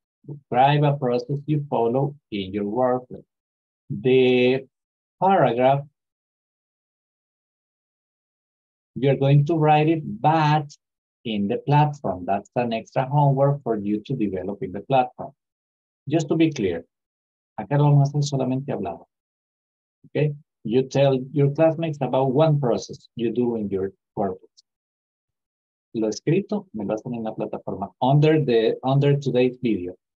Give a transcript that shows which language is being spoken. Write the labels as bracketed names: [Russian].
[English] Describe a process you follow in your workplace. The paragraph, you're going to write it, but in the platform. That's an extra homework for you to develop in the platform. Just to be clear, [Spanish] acá lo vamos a hacer solamente hablado. [English] Okay? You tell your classmates about one process you do in your workplace. [Spanish] Lo escrito me va a salir en la plataforma [English] under today's video.